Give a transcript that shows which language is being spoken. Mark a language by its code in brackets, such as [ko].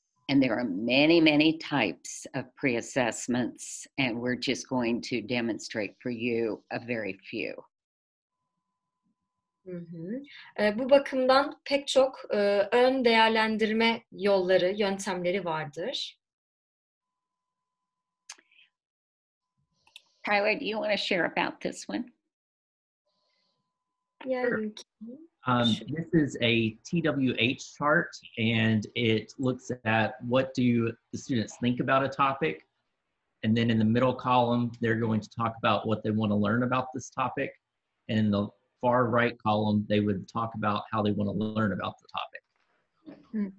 [en] And there are many, many types of pre-assessments, and we're just going to demonstrate for you a very few. [tr] Bu bakımdan pek çok ön değerlendirme yolları, yöntemleri vardır. [en] Tyler, do you want to share about this one? Yeah, you can. This is a TWH chart, and it looks at what do the students think about a topic, and then in the middle column, they're going to talk about what they want to learn about this topic, and in the far right column, they would talk about how they want to learn about the topic.